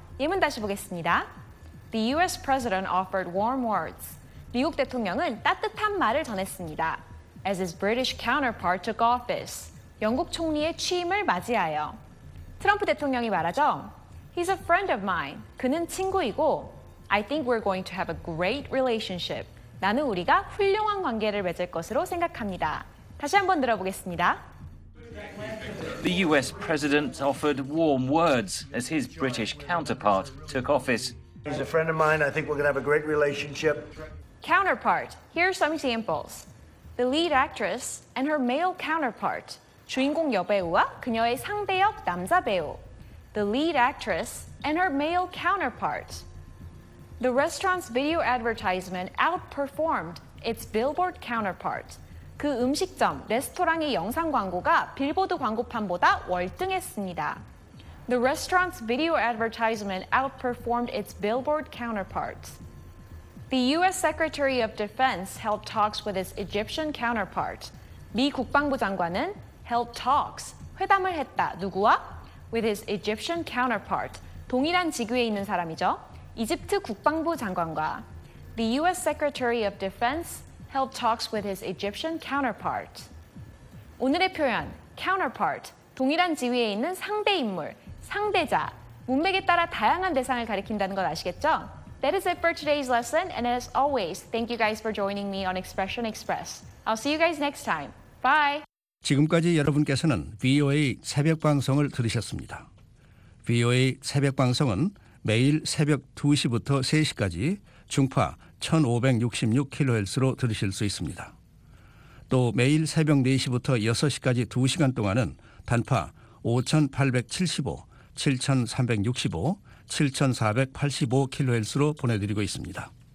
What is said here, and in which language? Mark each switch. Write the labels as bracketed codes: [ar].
[ko] 예문 다시 보겠습니다. [en] The US president offered warm words. [ko] 미국 대통령은 따뜻한 말을 전했습니다. [en] As his British counterpart took office. [ko] 영국 총리의 취임을 맞이하여. 트럼프 대통령이 말하죠. [en] He's a friend of mine. [ko] 그는 친구이고. [en] I think we're going to have a great relationship. [ko] 나는 우리가 훌륭한 관계를 맺을 것으로 생각합니다. 다시 한번 들어보겠습니다. [en] The US president offered warm words as his British counterpart took office. He's a friend of mine. I think we're going to have a great relationship. Counterpart. Here are some examples. The lead actress and her male counterpart. [ko] 주인공 여배우와 그녀의 상대역 남자 배우. [en] The lead actress and her male counterpart. The restaurant's video advertisement outperformed its billboard counterpart. [ko] 그 음식점, 레스토랑의 영상 광고가 빌보드 광고판보다 월등했습니다. [en] The restaurant's video advertisement outperformed its billboard counterpart. The U.S. Secretary of Defense held talks with its Egyptian counterpart. [ko] 미 국방부 장관은 [en] held talks, [ko] 회담을 했다, 누구와? [en] With his Egyptian counterpart, [ko] 동일한 직위에 있는 사람이죠. 이집트 국방부 장관과. [en] The U.S. Secretary of Defense held talks with his Egyptian counterpart. [ko] 오늘의 표현, counterpart, 동일한 지위에 있는 상대 인물, 상대자. 문맥에 따라 다양한 대상을 가리킨다는 걸 아시겠죠? [en] That is it for today's lesson. And as always, thank you guys for joining me on Expression Express. I'll see you guys next time. Bye! [ko] 지금까지 여러분께서는 VOA 새벽 방송을 들으셨습니다. VOA 새벽 방송은 매일 새벽 2시부터 3시까지 중파 1566kHz로 들으실 수 있습니다. 또 매일 새벽 4시부터 6시까지 2시간 동안은 단파 5875, 7365, 7485kHz로 보내드리고 있습니다.